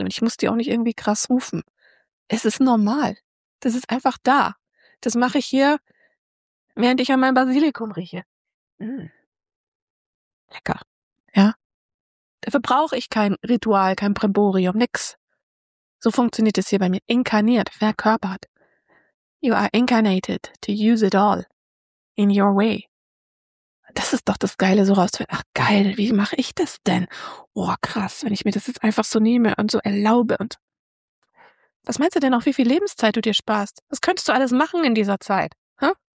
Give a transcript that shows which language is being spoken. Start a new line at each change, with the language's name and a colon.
German: Und ich muss die auch nicht irgendwie krass rufen. Es ist normal. Das ist einfach da. Das mache ich hier während ich an meinem Basilikum rieche. Mmh. Lecker. Ja. Dafür brauche ich kein Ritual, kein Brimborium, nix. So funktioniert es hier bei mir. Inkarniert, verkörpert.
English: You are incarnated to use it all. In your way.
German: Das ist doch das Geile, so rauszufinden. Ach geil, wie mache ich das denn? Oh krass, wenn ich mir das jetzt einfach so nehme und so erlaube. Und was meinst du denn auch, wie viel Lebenszeit du dir sparst? Was könntest du alles machen in dieser Zeit? Huh?